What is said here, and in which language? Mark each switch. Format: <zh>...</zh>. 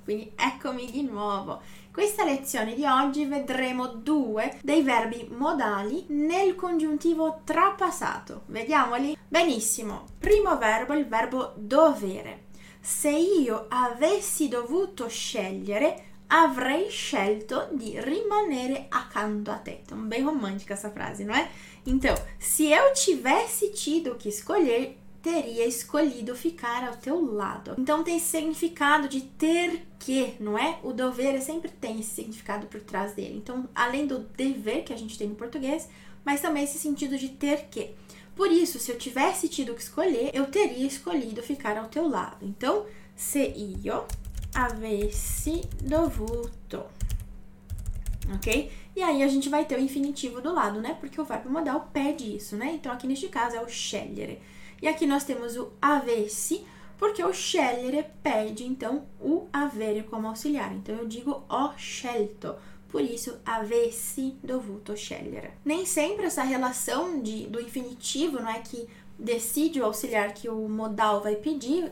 <it>Quindi eccomi di nuovo. Questa lezione di oggi vedremo due dei verbi modali nel congiuntivo trapassato. Vediamoli? Benissimo. Primo verbo, il verbo dovere. Se io avessi dovuto scegliere, avrei scelto di rimanere accanto a te. È un bel romantico questa frase, non è?</it> <pt>Então, se eu tivesse tido que escolher, teria escolhido ficar ao teu lado. Então, tem significado de ter que, não é? O dever sempre tem esse significado por trás dele. Então, além do dever que a gente tem no português, mas também esse sentido de ter que. Por isso, se eu tivesse tido que escolher, eu teria escolhido ficar ao teu lado. Então,</pt> <it>se io avessi dovuto. Ok?</it> <pt>E aí, a gente vai ter o infinitivo do lado, né? Porque o verbo modal pede isso, né? Então, aqui neste caso é o scegliere. E aqui nós temos o avessi, porque o scegliere pede, então, o avere como auxiliar. Então, eu digo</pt> <it>ho scelto.</it> <pt>Por isso,</pt> <it>avessi dovuto scegliere.</it> <pt>Nem sempre essa relação do infinitivo, não é? Que decide o auxiliar que o modal vai pedir.</pt>